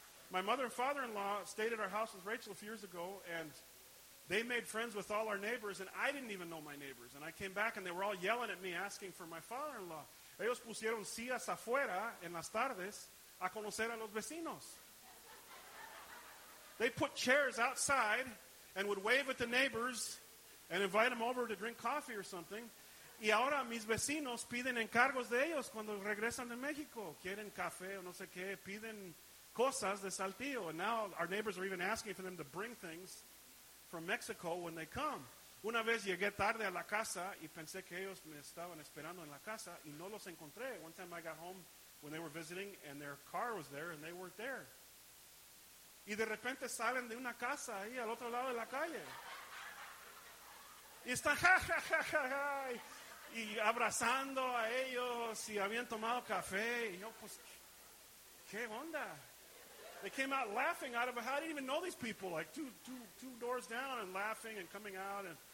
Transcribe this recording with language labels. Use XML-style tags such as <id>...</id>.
<en>My mother and father-in-law stayed at our house with Rachel a few years ago, and they made friends with all our neighbors, and I didn't even know my neighbors. And I came back, and they were all yelling at me, asking for my father-in-law.</en> <es>Ellos pusieron sillas afuera en las tardes a conocer a los vecinos.</es> <en>They put chairs outside and would wave at the neighbors and invite them over to drink coffee or something.</en> <es>Y ahora mis vecinos piden encargos de ellos cuando regresan de México. Quieren café o no sé qué. Piden cosas de Saltillo.</es> <en>And now our neighbors are even asking for them to bring things from Mexico when they come.</en> <es>Una vez llegué tarde a la casa y pensé que ellos me estaban esperando en la casa y no los encontré.</es> <en>One time I got home when they were visiting and their car was there and they weren't there.</en> <es>Y de repente salen de una casa ahí al otro lado de la calle. Y están ja, ja, ja, ja, ja, y abrazando a ellos y habían tomado café. Y yo, pues, ¿qué onda?</es> <en>They came out laughing out of a house. I didn't even know these people. Like two doors down and laughing and coming out.</en>